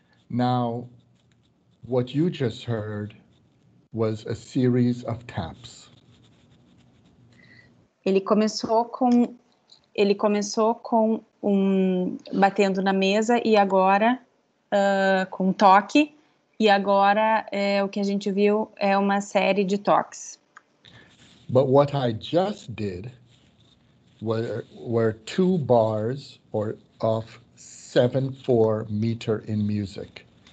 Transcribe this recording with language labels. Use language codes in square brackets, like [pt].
[en] Now, what you just heard was a series of taps. [pt] Ele começou com batendo na mesa e agora com um toque. E agora o que a gente viu é uma série de toques. [en] But what I just did were two bars or of 7/4 meter in music.